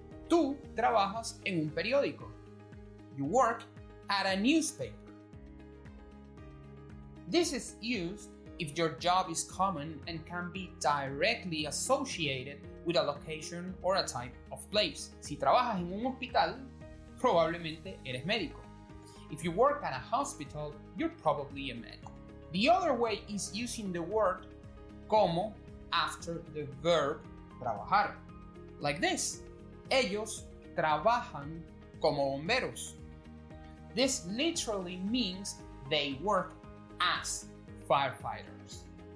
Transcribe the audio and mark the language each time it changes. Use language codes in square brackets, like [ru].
[es] Tú trabajas en un periódico. [en] You work at a newspaper. This is used if your job is common and can be directly associated with a location or a type of place. [es] Si trabajas en un hospital, probablemente eres médico. [en] If you work at a hospital, you're probably a medic. The other way is using the word como after the verb trabajar. Like this. [es] Ellos trabajan como bomberos. [en] This literally means they work as firefighters.